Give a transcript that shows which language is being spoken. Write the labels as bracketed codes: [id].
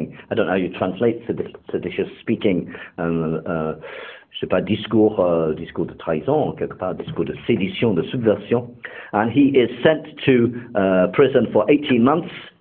[en] I don't know how you translate seditious speaking. [fr] Je sais pas, discours de trahison, quelque part, discours de sédition, de subversion. [en] And he is sent to prison for 18 months.